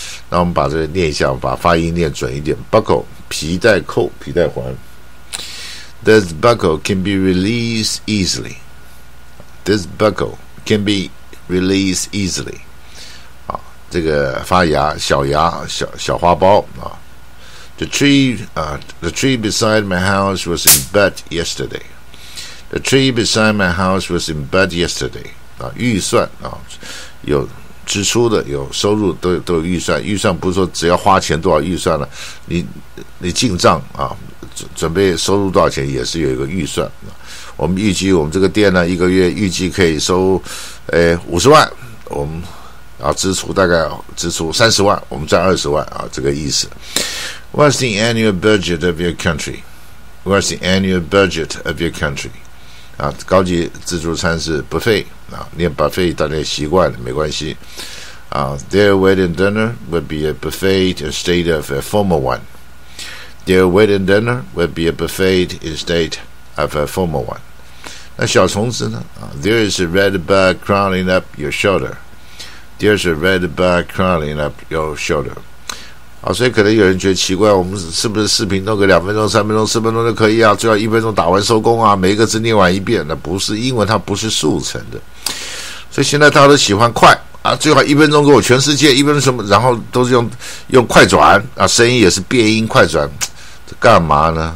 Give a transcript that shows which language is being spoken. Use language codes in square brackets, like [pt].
[zh] 那我们把这个念一下，把发音念准一点， buckle 皮带扣皮带环。 [en] This buckle can be released easily. This buckle can beRelease easily. [zh] 啊，这个发芽小芽小花苞啊。 [en] The tree beside my house was in bud yesterday. The tree beside my house was in bud yesterday. [zh] 啊，预算啊，有支出的，有收入都有预算。预算不是说只要花钱多少预算了，你进账啊，准备收入多少钱也是有一个预算。啊，我们预计我们这个店呢，一个月预计可以收，50万，我们啊支出30万，我们赚20万啊，这个意思。 [en] What's the annual budget of your country? What's the annual budget of your country? [zh] 啊，高级自助餐是 buffet 啊，念 buffet 大家习惯了没关系啊。 [en] Their wedding dinner would be a buffet instead of a formal one. Their wedding dinner would be a buffet instead of a formal one. [zh] 那小虫子呢？ [en] There is a red bug crawling up your shoulder. There is a red bug crawling up your shoulder. [zh] 啊，所以可能有人觉得奇怪，我们是不是视频弄个两分钟、三分钟、四分钟就可以啊？最好一分钟打完收工啊，每一个字念完一遍。那不是英文，它不是速成的，所以现在大家都喜欢快啊，最好一分钟给我全世界，一分钟什么，然后都是用快转啊，声音也是变音快转。干嘛呢？